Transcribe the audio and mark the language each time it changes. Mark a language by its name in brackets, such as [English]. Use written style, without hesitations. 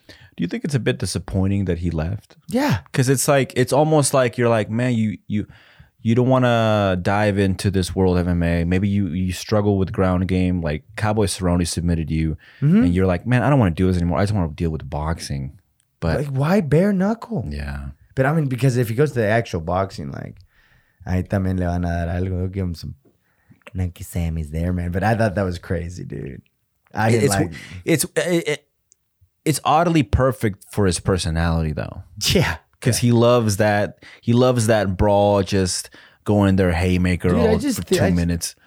[English] Do you think it's a bit disappointing that he left? Yeah, because it's like it's almost like you're like, man, you don't want to dive into this world of MMA. Maybe you struggle with ground game. Like Cowboy Cerrone submitted you, and you're like, man, I don't want to do this anymore. I just want to deal with boxing. But like, why bare knuckle? Yeah, but I mean, because if he goes to the actual boxing, like, [Spanish] ahí también le van a dar algo. [English] He'll give him some Nanky Sammy's there, man. But I thought that was crazy, dude. It's oddly perfect for his personality though. Yeah, because he loves that. He loves that brawl, just going in there haymaker. Dude, all just, for 2 minutes.